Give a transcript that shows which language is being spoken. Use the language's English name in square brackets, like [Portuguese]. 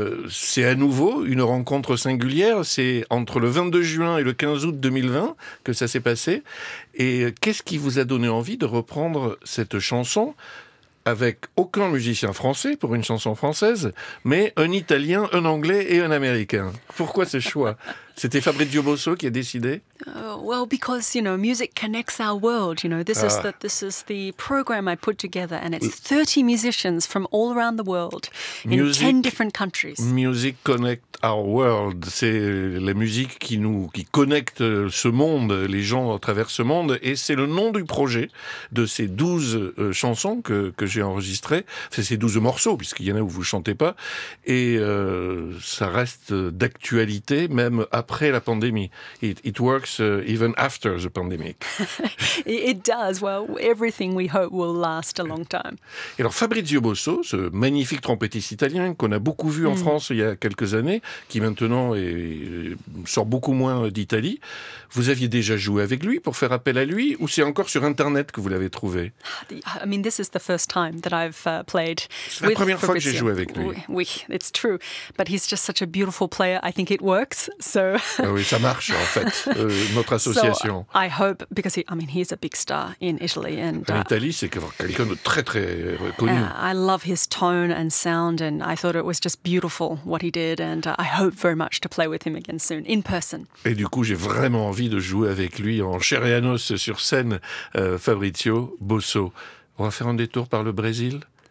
[French] C'est à nouveau une rencontre singulière. C'est entre le 22 juin et le 15 août 2020 que ça s'est passé. Et qu'est-ce qui vous a donné envie de reprendre cette chanson avec aucun musicien français pour une chanson française, mais un Italien, un Anglais et un Américain? Pourquoi ce choix? C'était Fabrizio Bosso qui a décidé. [English] Well, because you know, music connects our world. You know, this is the program I put together, and it's 30 musicians from all around the world in 10 different countries. Music connect our world. [French] C'est la musique qui connecte ce monde, les gens à travers ce monde, et c'est le nom du projet de ces 12 chansons que j'ai enregistrées. C'est ces 12 morceaux, puisqu'il y en a où vous chantez pas, et ça reste d'actualité même après la pandémie. [English] It works even after the pandemic. It does. Well, everything we hope will last a long time. [French] Et alors Fabrizio Bosso, ce magnifique trompettiste italien qu'on a beaucoup vu en France il y a quelques années, qui maintenant sort beaucoup moins d'Italie, vous aviez déjà joué avec lui pour faire appel à lui, ou c'est encore sur Internet que vous l'avez trouvé? [English] I mean, this is the first time that I've played with Fabrizio. [French] La première fois que j'ai joué avec lui. [English] Oui, it's true. But he's just such a beautiful player. I think it works. So [French] Oui, ça marche en fait, notre association. [English] So, I hope, because he, I mean, he's a big star in Italy. And, [French] en Italie, c'est quelqu'un de très, très connu. [English] I love his tone and sound, and I thought it was just beautiful what he did, and I hope very much to play with him again soon, in person. [French] Et du coup, j'ai vraiment envie de jouer avec lui en chair et en os sur scène, Fabrizio Bosso. On va faire un détour par le Brésil.